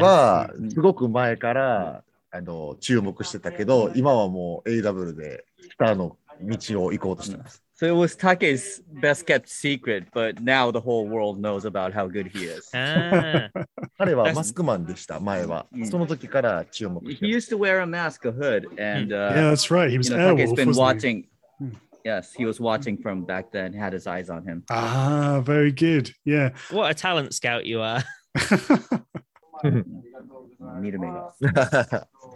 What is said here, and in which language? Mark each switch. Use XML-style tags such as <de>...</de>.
<ja>はすごく前から注目してたけど、今はもう AW でスターの道を行こうとしてます。</ja> <en>So it was Take's best kept secret, but now the whole world knows about how good he is.</en> <ja>彼はマスクマンでした、前は。その時から注目。</ja> <en>He used to wear a mask, a hood, and yeah, that's right. He was Airwolf, Take's been watching. Yes, he was watching from back then, had his eyes on him. Ah, very good. Yeah. What a talent scout you are. Meet him again.</en>